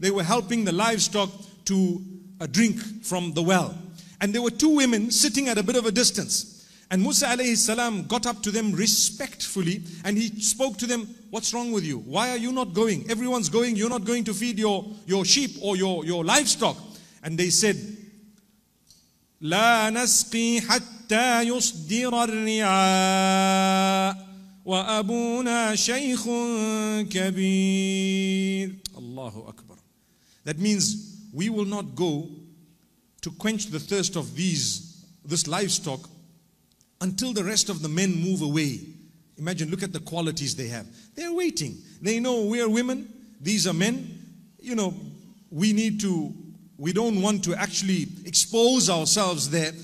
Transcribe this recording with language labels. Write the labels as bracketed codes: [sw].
[en] They were helping the livestock to drink from the well. And there were two women sitting at a bit of a distance. And Musa alayhi salam got up to them respectfully and he spoke to them, what's wrong with you? Why are you not going? Everyone's going. You're not going to feed your sheep or your livestock. And they said, [ar] لا نسقي حتى يصدر الرعاء وأبونا شيخ كبير. الله أكبر. [en] That means we will not go to quench the thirst of this livestock until the rest of the men move away. Imagine, look at the qualities they have. They're waiting. They know we are women, these are men. You know, we don't want to actually expose ourselves there.